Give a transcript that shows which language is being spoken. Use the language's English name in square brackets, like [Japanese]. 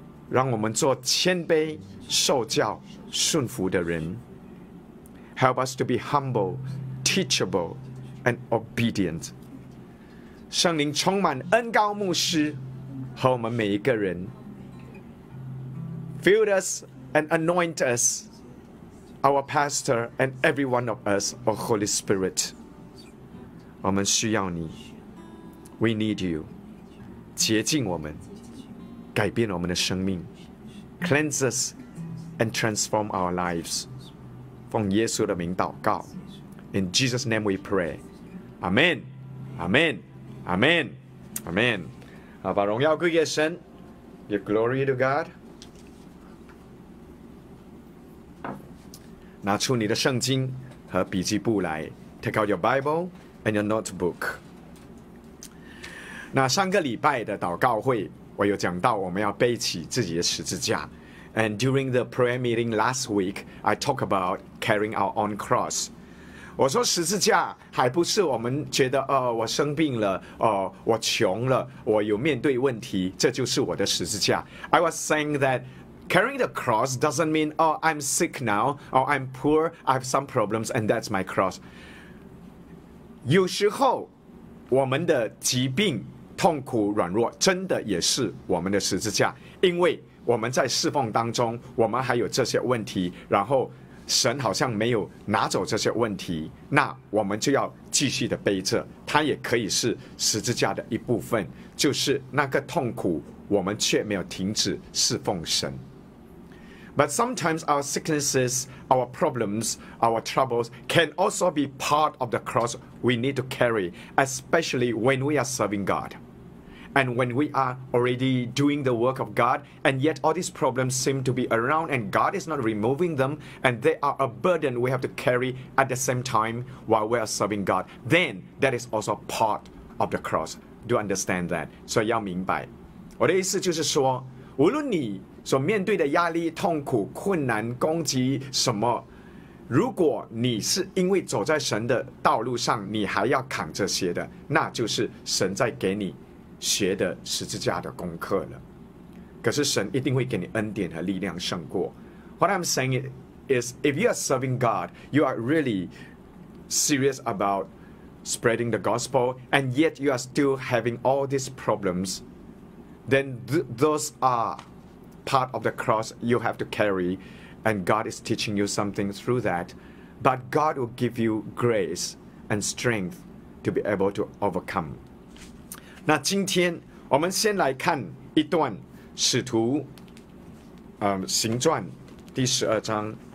[Chinese] 让我们做谦卑、受教、顺服的人。 [English] Help us to be humble, teachable, and obedient. [Chinese] 圣灵充满恩膏牧师和我们每一个人。 [English] Fill us and anoint us. Our pastor and every one of us, O Holy Spirit. [Chinese] 我们需要你。 [English] We need you. [Chinese] 洁净我们，改变我们的生命。 [English] Cleanse us and transform our lives. [Chinese] 奉耶稣的名祷告。 [English] In Jesus' name we pray. Amen. Amen. Amen. Amen. [Chinese] 好，把荣耀归给神。 [English] Give glory to God. [Chinese] 拿出你的圣经和笔记簿来。 [English] Take out your Bible and your notebook. [Chinese] 那上个礼拜的祷告会，我有讲到我们要背起自己的十字架。 [English] And during the prayer meeting last week, I talked about carrying our own cross. [Chinese] 我说十字架还不是我们觉得，我生病了，我穷了，我有面对问题，这就是我的十字架。 [English] I was saying thatCarrying the cross doesn't mean, oh, I'm sick now, or I'm poor, I have some problems, and that's my cross. [Chinese] 有时候我们的疾病、痛苦、软弱，真的也是我们的十字架，因为我们在侍奉当中，我们还有这些问题，然后神好像没有拿走这些问题，那我们就要继续的背着，它也可以是十字架的一部分，就是那个痛苦，我们却没有停止侍奉神。 [English] But sometimes our sicknesses, our problems, our troubles can also be part of the cross we need to carry, especially when we are serving God. And when we are already doing the work of God, and yet all these problems seem to be around and God is not removing them, and they are a burden we have to carry at the same time while we are serving God, then that is also part of the cross. Do understand that? So, [Chinese] 要明白。我的意思就是说，无论你所面对的压力、痛苦、困难、攻击什么，如果你是因为走在神的道路上，你还要扛这些的，那就是神在给你学的十字架的功课了。可是神一定会给你恩典和力量胜过。 [English] What I'm saying is, if you are serving God, you are really serious about spreading the gospel, and yet you are still having all these problems, then those are part of the cross you have to carry, and God is teaching you something through that. But God will give you grace and strength to be able to overcome. [Chinese] 那今天我们先来看一段使徒行传第十二章。